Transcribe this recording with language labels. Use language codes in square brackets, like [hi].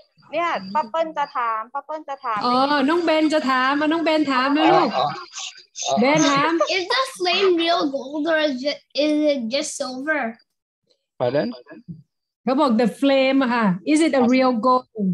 [th] เนี่ยป้าเปิ้ลจะถามป้าเปิ้ลจะถาม อ๋อน้องเบนจะถามมาน้องเบนถามนะลูกเบนถาม [en] Is the flame real gold or is it just silver? Pardon? [th] เขาบอก [en] the flame ค่ะ Is it a real gold?